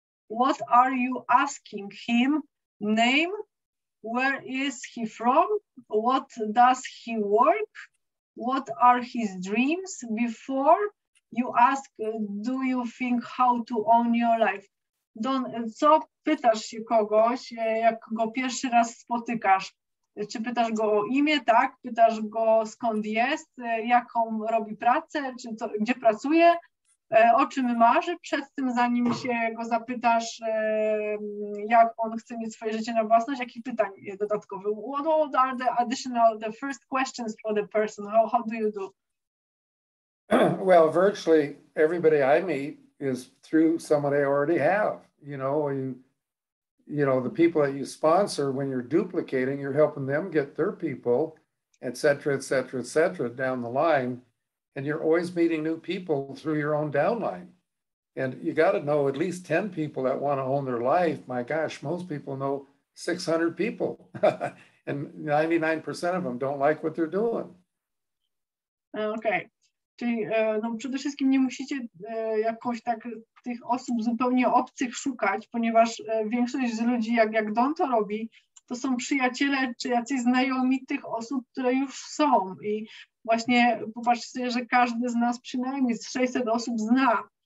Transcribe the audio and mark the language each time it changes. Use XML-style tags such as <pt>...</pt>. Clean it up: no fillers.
<en>What are you asking him? Name? Where is he from? What does he work? What are his dreams? Before you ask, do you think how to own your life?</en> <pl>Don, co pytasz się kogoś, jak go pierwszy raz spotykasz? Czy pytasz go o imię, tak? Pytasz go, skąd jest, jaką robi pracę, czy to, gdzie pracuje, o czym marzy przed tym, zanim się go zapytasz, jak on chce mieć swoje życie na własność, jakich pytań dodatkowych.</pl> <en>What are the additional, the first questions for the person? How do you do? Well, virtually everybody I meet is through someone I already have, you know, you know, the people that you sponsor, when you're duplicating, you're helping them get their people, et cetera, et cetera, et cetera, down the line. And you're always meeting new people through your own downline. And you got to know at least 10 people that want to own their life. My gosh, most people know 600 people and 99% of them don't like what they're doing. Okay.</en> <pl>Czyli no, przede wszystkim nie musicie jakoś tak tych osób zupełnie obcych szukać, ponieważ większość z ludzi, jak Don to robi, to są przyjaciele czy jacyś znajomi tych osób, które już są. I właśnie popatrzcie sobie, że każdy z nas przynajmniej z 600 osób zna.</pl>